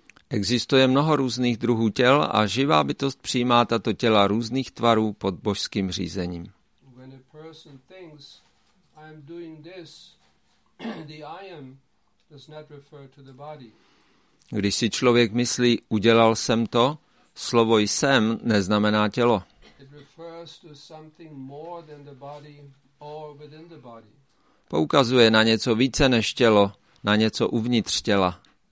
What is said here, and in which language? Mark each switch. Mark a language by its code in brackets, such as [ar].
[cs] Existuje mnoho různých druhů těl a živá bytost přijímá tato těla různých tvarů pod božským řízením. [en] person thinks I am doing this, the I am does not refer to the body. [cs] Když si člověk myslí, udělal jsem to, slovo jsem neznamená tělo. [en] It refers to something more than the body or within the body. [cs] Poukazuje na něco více než tělo, na něco uvnitř těla.